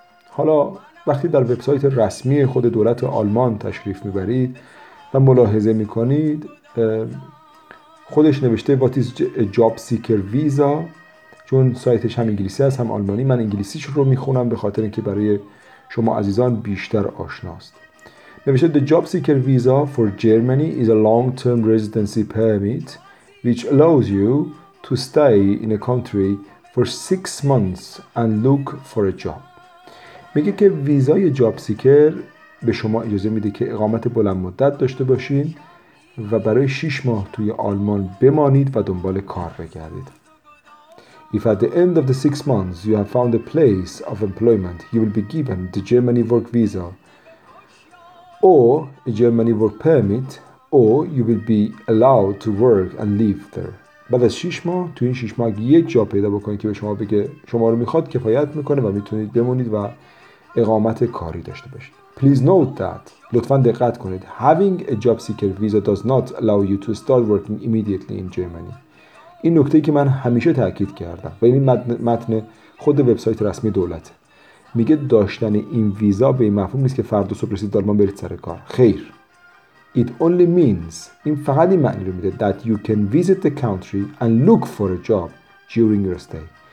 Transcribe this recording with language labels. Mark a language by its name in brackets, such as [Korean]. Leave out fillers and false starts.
[Persian] حالا وقتی در وبسایت رسمی خود دولت آلمان تشریف میبرید و ملاحظه میکنید، خودش نوشته [English] What is job seeker visa؟ [Persian] چون سایتش هم انگلیسی هست هم آلمانی، من انگلیسیش رو میخونم به خاطر اینکه برای شما عزیزان بیشتر آشناست. [English] نوشته The job seeker visa for Germany is a long-term residency permit which allows you to stay in a country for 6 months and look for a job. [Persian] میگه که ویزای جاب سیکر به شما اجازه میده که اقامت بلند مدت داشته باشین و برای 6 ماه توی آلمان بمانید و دنبال کار بگردید. [English] If at the end of the 6 months you have found a place of employment, you will be given the Germany work visa or a Germany work permit or you will be allowed to work and live there. [Persian] بعد از 6 ماه توی این 6 ماه یه جاب پیدا بکنید که به شما بگه شما رو میخواد، کفایت میکنه و میتونید بمونید و اقامت کاری داشته باشید. [English] Please note that، [Persian] لطفاً دقت کنید، [English] having a job seeker visa does not allow you to start working immediately in Germany. [Persian] این نکته ای که من همیشه تاکید کردم و این متن خود وبسایت رسمی دولت میگه داشتن این ویزا به این مفهوم نیست که فردا صبح رسید آلمان برید سر کار. خیر. [English] It only means، [Persian] این فقط این معنی رو میده، [English] that you can visit the country and look for a job during your stay.